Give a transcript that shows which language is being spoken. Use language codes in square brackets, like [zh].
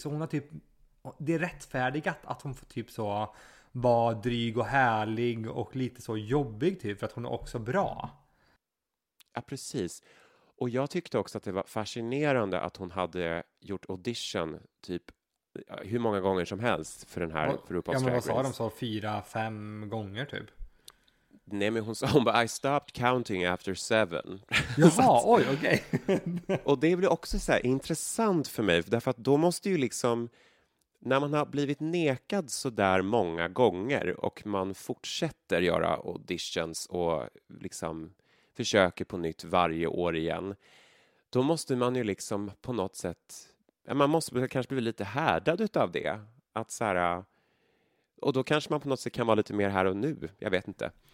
[sv] Så hon har typ, det är rättfärdigt att hon får typ så vara dryg och härlig och lite så jobbig typ, för att hon är också bra. Ja, precis. Och jag tyckte också att det var fascinerande att hon hade gjort audition typ hur många gånger som helst för den här Europa-strategien. Ja, men vad sa de? Sa 4-5 gånger typ? Nej, men hon sa, hon bara, [en] I stopped counting after 7. [sv] Jaha, att, oj, okej. Okay. Och det blev också så här intressant för mig, därför att då måste ju liksom, när man har blivit nekad så där många gånger och man fortsätter göra auditions och liksom försöker på nytt varje år igen, då måste man ju liksom på något sätt, man måste kanske bli lite härdad utav det, att så här, och då kanske man på något sätt kan vara lite mer här och nu, jag vet inte.